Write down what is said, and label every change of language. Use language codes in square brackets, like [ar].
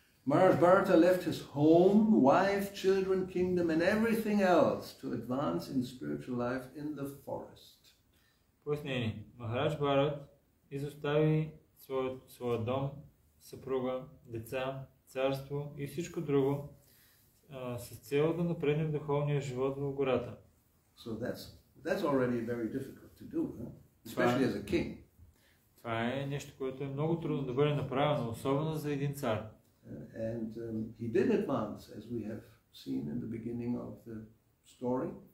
[en] Maharaj Bharata left his home, wife, children, kingdom and everything else to advance in spiritual life in the forest. [bg] Пояснение. Maharaj Bharat изостави своя дом, съпруга, деца, царство и всичко друго с цел да напредне в духовния живот в гората. [en] So that's already very difficult to do, especially as a king. [bg] Това е нещо, което е много трудно да бъде направено, особено за един цар. [en] And he did advance, as we have seen in the beginning of the story.